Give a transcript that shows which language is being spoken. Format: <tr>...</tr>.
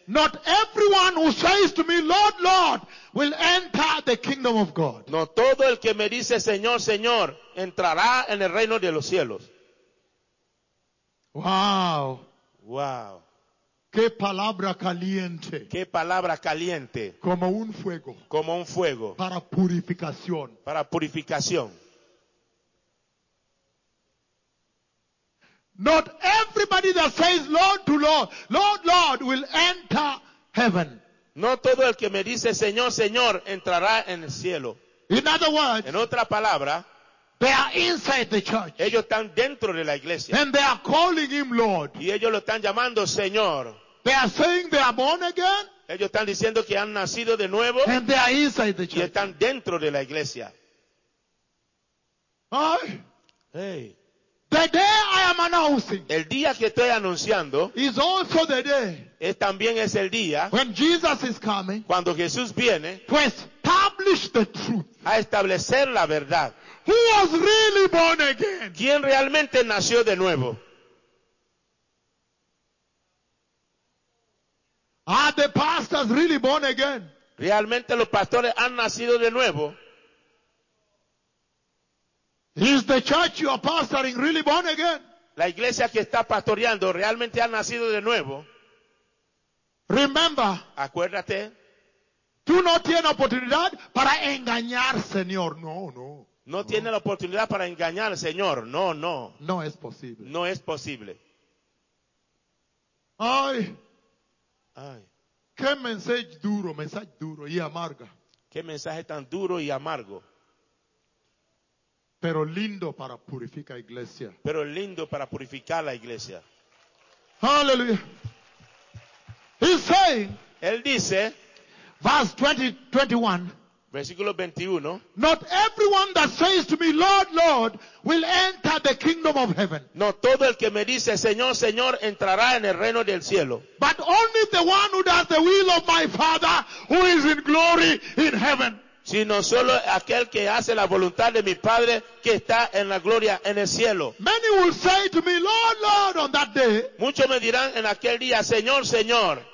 <en>not everyone who says to me, Lord, Lord, will enter the kingdom of God.</en> <es>No todo el que me dice, Señor, Señor, entrará en el reino de los cielos. Wow. Wow. Qué palabra caliente. Qué palabra caliente. Como un fuego. Como un fuego. Para purificación. Para purificación.</es> <en>Not everybody that says Lord to Lord, Lord, Lord, will enter heaven.</en> <es>No todo el que me dice Señor, Señor, entrará en el cielo.</es> <en>In other words,</en> <es>en otra palabra,</es> <en>they are inside the church.</en> <es>Ellos están dentro de la iglesia.</es> <en>And they are calling him Lord.</en> <es>Y ellos lo están llamando Señor.</es> <en>They are saying they are born again.</en> <es>Ellos están diciendo que han nacido de nuevo.</es> <en>And they are inside the church.</en> <es>Y están dentro de la iglesia. Ay. Hey.</es> <en>The day I am announcing,</en> <es>el día que estoy anunciando,</es> <en>is also the day,</en> <es>es también es el día,</es> <en>when Jesus is coming,</en> <es>cuando Jesús viene,</es> <en>to establish the truth,</en> <es>a establecer la verdad.</es> <en>Who was really born again?</en> <es>¿Quién realmente nació de nuevo?</es> <en>Are the pastors really born again?</en> <es>¿Realmente los pastores han nacido de nuevo?</es> <en>Is the church you are pastoring really born again?</en> <es>La iglesia que está pastoreando realmente ha nacido de nuevo.</es> <en>Remember.</en> <es>Acuérdate. Tú no tienes oportunidad para engañar, Señor. No, no. No, no tiene la oportunidad para engañar, Señor. No, no. No es posible. No es posible. Ay. Ay. Qué mensaje duro y amarga. Qué mensaje tan duro y amargo. Pero lindo para purificar iglesia. Pero lindo para purificar la iglesia.</es> <en>Hallelujah. He's saying.</en> <es>Él dice.</es> <en>Verse 21.</en> <es>Versículo 21.</es> <en>Not everyone that says to me, Lord, Lord, will enter the kingdom of heaven.</en> <es>No todo el que me dice, Señor, Señor, entrará en el reino del cielo.</es> <en>But only the one who does the will of my Father, who is in glory in heaven.</en> <es>Sino solo aquel que hace la voluntad de mi Padre que está en la gloria en el cielo.</es> <en>Many will say to me, Lord, Lord, on that day.</en> <es>Muchos me dirán en aquel día, Señor, Señor.</es>